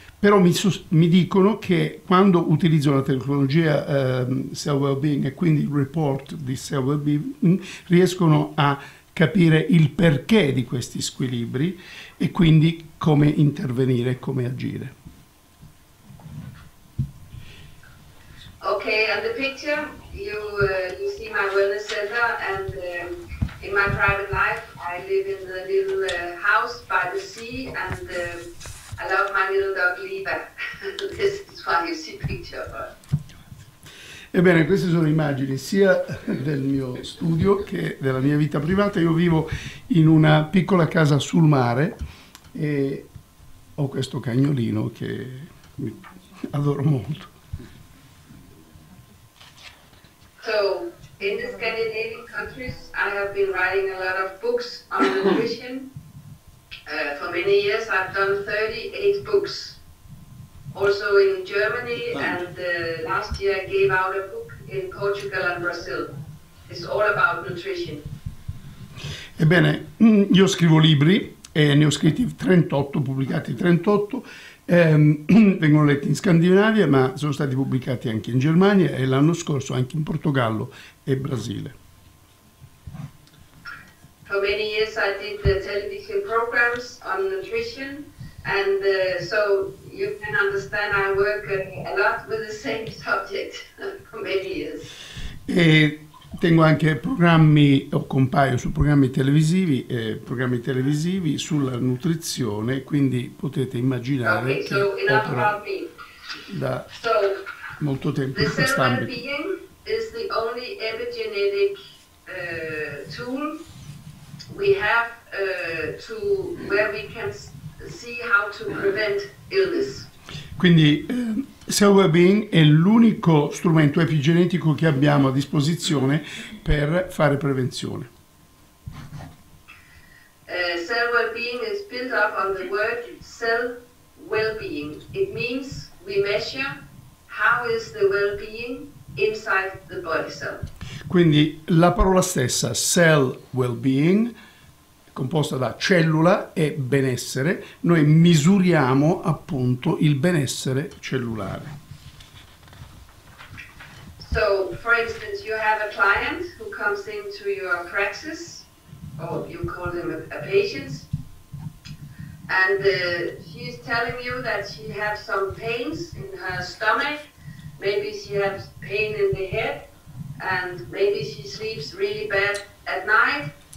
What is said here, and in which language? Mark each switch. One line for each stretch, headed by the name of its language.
Italian: Però mi dicono che quando utilizzo la tecnologia Cell Wellbeing e quindi il report di Cell Wellbeing riescono a capire il perché di questi squilibri e quindi come intervenire, come agire.
English: Okay, on the picture you see my wellness center, and in my private life I live in a little house by the sea, and I love my little dog Liva. This is why you see picture.
Italian: Ebbene, queste sono immagini sia del mio studio che della mia vita privata. Io vivo in una piccola casa sul mare e ho questo cagnolino che adoro molto.
English: So, in the Scandinavian countries I have been writing a lot of books on nutrition. For many years I've done 38 books. Also in Germany, and last year I gave out a book in Portugal and Brazil. It's all about nutrition.
Italian: Ebbene, io scrivo libri e ne ho scritti 38, pubblicati 38. Vengono letti in Scandinavia, ma sono stati pubblicati anche in Germania e l'anno scorso anche in Portogallo e Brasile.
English: For many years I did the television programs on nutrition, and so you can understand I work a lot with the same subject for many years.
Italian: E tengo anche programmi, o compaio su programmi televisivi sulla nutrizione, quindi potete immaginare che opero da molto tempo in questo ambito.
English: The cell well-being phylogenetic tool we have to where we can see how to prevent illness.
Italian: Quindi Cell Wellbeing è l'unico strumento epigenetico che abbiamo a disposizione per fare prevenzione.
English: Cell Wellbeing is built up on the word cell well-being. It means we measure how is the well-being inside the body cell.
Italian: Quindi la parola stessa, cell well-being, composta da cellula e benessere, noi misuriamo appunto il benessere cellulare.
English: So, for instance, you have a client who comes into your praxis, or you call them a patient, and she is telling you that she has some pains in her stomach, maybe she has pain in the head, and maybe she sleeps really bad at night.